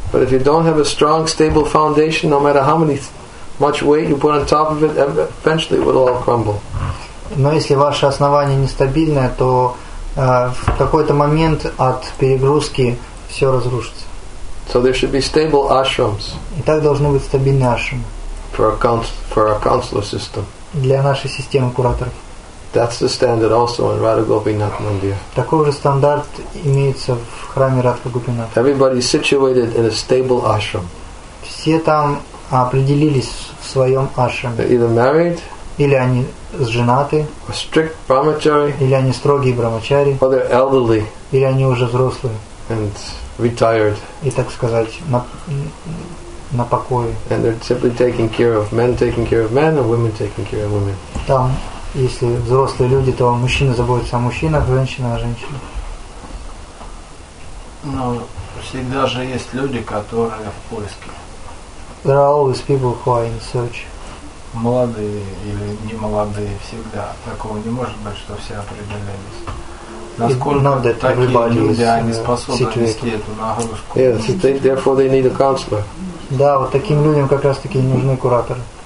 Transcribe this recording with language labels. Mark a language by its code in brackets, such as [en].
[en] But if you don't have a strong, stable foundation, no matter how much weight you put on top of it, eventually it will all crumble. [ru] Но если ваше основание нестабильное, то в какой-то момент от перегрузки все разрушится. [en] So there should be stable ashrams. [ru] И так должны быть стабильные ашрамы. [en] For our counselor system. [ru] Для нашей системы кураторов. [en] That's the standard also in Radha Gopinath Mandir. [ru] Такой же стандарт имеется в храме Радха Гопинат. [en] Everybody situated in a stable ashram. [ru] Все там определились в своем ашраме. [en] They're either married. [ru] Или они женаты, [en] strict brahmachari, [ru] или они строгие брамачари, [en] or they're elderly, [ru] или они уже взрослые, [en] and retired, [ru] и так сказать, на покое. [en] And they're simply taking care of men, taking care of men, and women taking care of women. [ru] Там, если взрослые люди, то мужчины заботятся о мужчинах, женщины о женщинах. Но всегда же есть люди, которые в поиске. [en] There are always people who are in search. [ru] Молодые или не молодые всегда. Такого не может быть, что все определялись. Насколько такие люди они способны нести эту нагрузку? [en] Yes, therefore they need a counselor. [ru] Да, вот таким людям как раз таки нужны кураторы.